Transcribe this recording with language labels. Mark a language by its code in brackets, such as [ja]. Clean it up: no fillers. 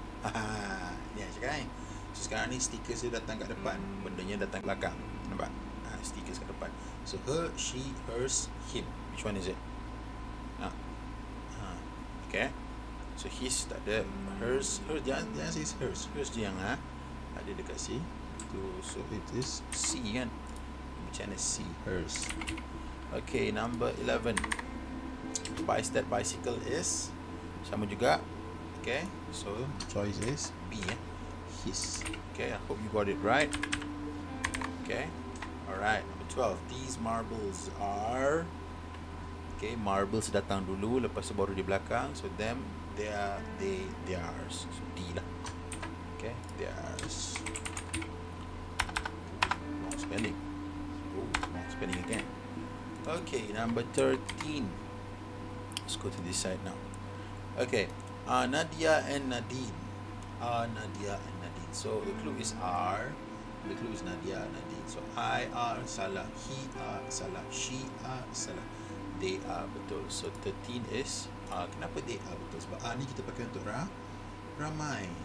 [ms] Haa, ni cakap kan? So sekarang ni stickers dia datang kat depan, bendanya datang belakang, nampak? Stickers kat depan. [en] So her, she, hers, him. Which one is it? [ms] Okay. So his tak ada. [en] Hers, hers, [ms] dia [en] answer is hers. [ms] Hers dia yang ada dekat C. [en] So it is C [ms] kan? Macam mana [en] C? Hers. Okay, number 11. By that bicycle is? [ms] Sama juga. [en] Okay. So choice is B. His. Okay, I hope you got it right. Okay. Alright, number 12. These marbles are... [ms] Okay, marbles datang dulu, lepas tu baru di belakang. [en] So, them, they are, they are. So, D [ms] lah. [en] Okay, they are. Wrong spelling. Oh, wrong spelling again. Okay, number 13. Let's go to this side now. Okay, Nadia and Nadine. Nadia and Nadine. So, the clue is R. The clue is Nadia and Nadine. So I are [ms] salah, [en] he are salah, she are salah, they are [ms] betul. [en] So 13 is [ms] kenapa [en] they are [ms] betul? Sebab ni kita pakai untuk ramai.